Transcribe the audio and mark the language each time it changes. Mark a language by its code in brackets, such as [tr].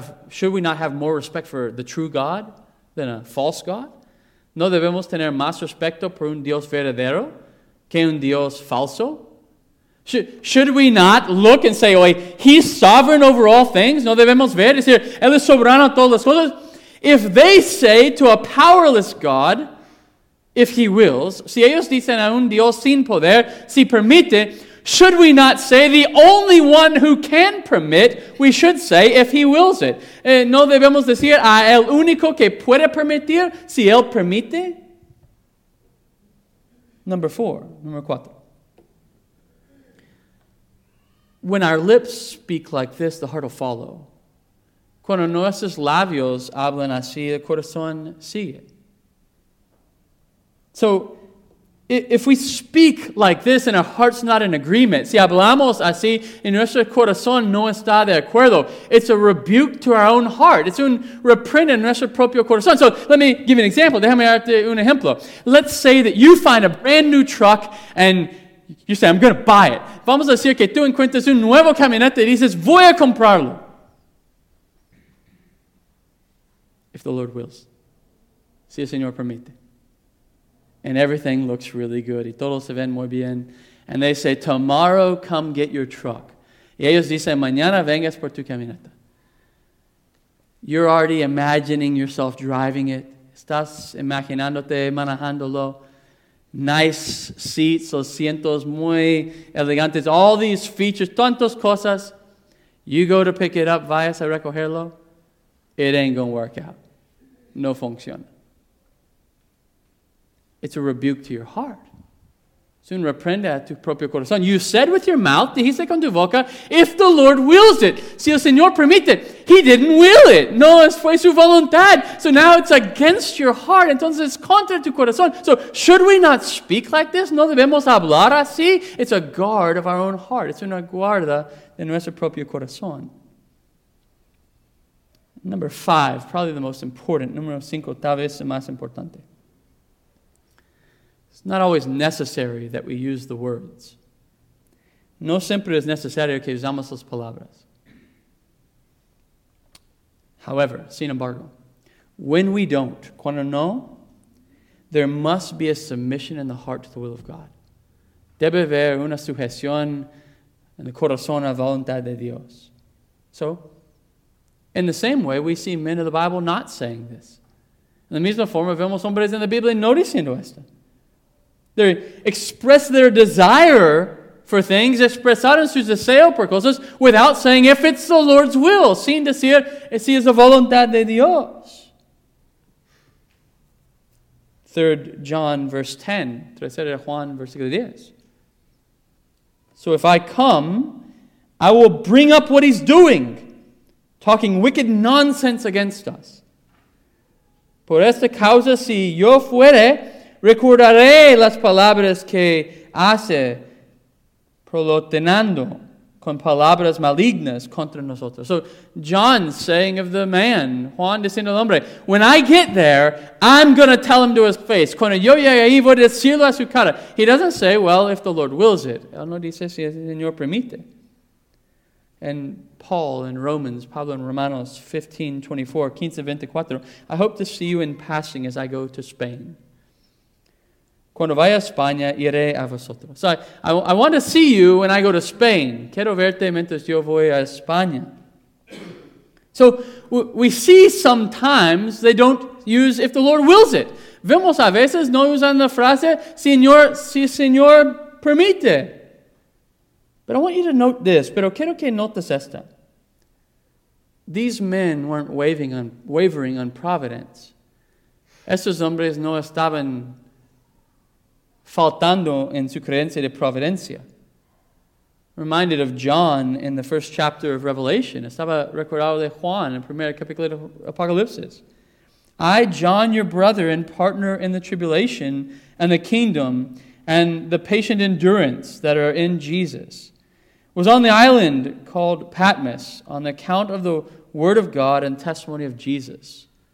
[en] Should we not have more respect for the true God than a false God? [es] ¿No debemos tener más respeto por un Dios verdadero que un Dios falso? [en] Should we not look and say, oye, he's sovereign over all things? [es] ¿No debemos ver? Es decir, él es soberano a todas las cosas. [en] If they say to a powerless God, if he wills, [es] si ellos dicen a un Dios sin poder, si permite, [en] should we not say the only one who can permit, we should say, if he wills it. [es] ¿No debemos decir a el único que puede permitir, si él permite? [en] Number 4. When our lips speak like this, the heart will follow. [es] Cuando nuestros labios hablan así, el corazón sigue. [en] So, if we speak like this and our heart's not in agreement, [es] si hablamos así y nuestro corazón no está de acuerdo, [en] it's a rebuke to our own heart. [es] It's un reprimenda en nuestro propio corazón. [en] So, let me give you an example. [es] Déjame darte un ejemplo. [en] Let's say that you find a brand new truck and you say, I'm going to buy it. [es] Vamos a decir que tú encuentras un nuevo camioneta y dices, voy a comprarlo. [en] If the Lord wills. [es] Si el Señor permite. [en] And everything looks really good. [es] Y todos se ven muy bien. [en] And they say, tomorrow come get your truck. [es] Y ellos dicen, mañana vengas por tu camioneta. [en] You're already imagining yourself driving it. [es] Estás imaginándote manejándolo. [en] Nice seats, [es] los asientos muy elegantes. [en] All these features, [es] tantas cosas. [en] You go to pick it up, [es] vayas a recogerlo. [en] It ain't going to work out. [es] No funciona. [en] It's a rebuke to your heart. [es] Es un reprenda a tu propio corazón. [en] You said with your mouth, [es] dijiste con tu boca, [en] if the Lord wills it, [es] si el Señor permite, [en] he didn't will it. [es] No fue su voluntad. [en] So now it's against your heart. [es] Entonces it's contra tu corazón. [en] So should we not speak like this? [es] No debemos hablar así. [en] It's a guard of our own heart. [es] It's una guarda de nuestro propio corazón. [en] Number five, probably the most important. [es] Número cinco, tal vez el más importante. [en] It's not always necessary that we use the words. [es] No siempre es necesario que usamos las palabras. [en] However, [es] sin embargo, [en] when we don't, [es] cuando no, [en] there must be a submission in the heart to the will of God. [es] Debe haber una sujeción en el corazón a la voluntad de Dios. [en] So, in the same way, we see men of the Bible not saying this. [es] En la misma forma, vemos hombres en la Biblia no diciendo esto. [en] They express their desire for things, [es] expresaron sus deseos por cosas, [en] without saying, if it's the Lord's will, [es] sin decir, si es la voluntad de Dios. [en] 3 John verse 10, 3 Juan versículo 10. So if I come, I will bring up what he's doing, talking wicked nonsense against us. [es] Por esta causa, si yo fuere, recordaré las palabras que hace prolotenando con palabras malignas contra nosotros. [en] So, John saying of the man, [es] Juan diciendo al hombre, [en] when I get there, I'm going to tell him to his face. [es] Cuando yo llegue ahí, voy a decirlo a su cara. [en] He doesn't say, well, if the Lord wills it. [es] Él no dice si el Señor permite. [en] And Paul in Romans, Pablo in Romanos 15:24, 15:24, I hope to see you in passing as I go to Spain. [es] Cuando vaya a España, iré a vosotros. [en] So I want to see you when I go to Spain. [es] Quiero verte mientras yo voy a España. [en] So we see sometimes they don't use if the Lord wills it. [es] Vemos a veces no usan la frase, Señor, si Señor permite. [en] But I want you to note this. [es] Pero quiero que notes esta. [en] These men weren't wavering on providence. [es] Estos hombres no estaban faltando en su creencia de providencia. [en] Reminded of John in the first chapter of Revelation. [es] Estaba recordado de Juan en primer capítulo de Apocalipsis. [en] I, John, your brother and partner in the tribulation and the kingdom and the patient endurance that are in Jesus, was on the island called Patmos on account of the word of God and testimony of Jesus.